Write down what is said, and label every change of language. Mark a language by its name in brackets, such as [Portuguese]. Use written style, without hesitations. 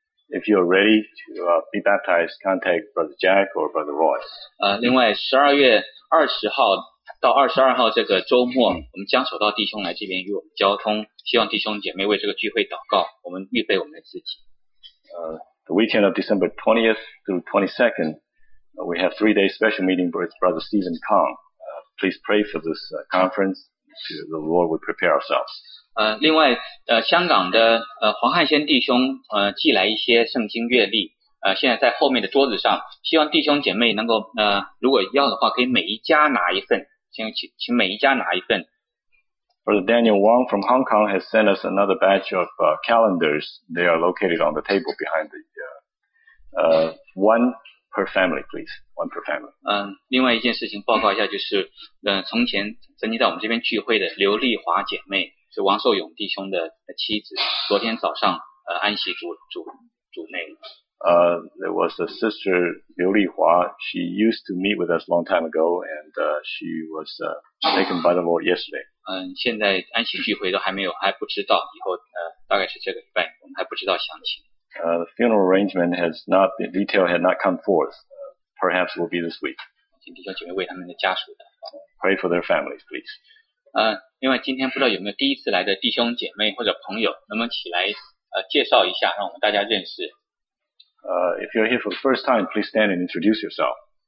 [English] If you are ready to be baptized, contact Brother Jack or Brother Roy. [Chinese] 另外12月20号到22号这个周末，我们将手到弟兄来这边与我们交通，希望弟兄姐妹为这个聚会祷告，我们预备我们的自己。 [English] The weekend of December 20th through 22nd,we have three-day special meeting with Brother Stephen Kong. Please pray for this conference. To the Lord, we prepare ourselves. [Chinese] 另外，香港的黄汉先弟兄寄来一些圣经阅历，现在在后面的桌子上。希望弟兄姐妹能够如果要的话，可以每一家拿一份，请每一家拿一份。 [English] Brother Daniel Wong from Hong Kong has sent us another batch of calendars. They are located on the table behind the one per family, please. One per family. [Chinese] 另外一件事情报告一下，就是从前曾经在我们这边聚会的刘丽华姐妹，是王寿勇弟兄的妻子，昨天早上安息主内。 [English] There was a sister, Liu Lihua. She used to meet with us a long time ago, and she was taken by the Lord yesterday. [Chinese] 现在安息聚会都还没有，还不知道以后大概是这个礼拜，我们还不知道详情。 [English] The funeral arrangement has not been, detail had not come forth. Perhaps will be this week. [Chinese] 请弟兄姐妹为他们的家属的。 [English] Pray for their families, please. [Chinese] 另外今天不知道有没有第一次来的弟兄姐妹或者朋友，能不能起来介绍一下，让我们大家认识。 [English] If you're here for the first time, please stand and introduce yourself.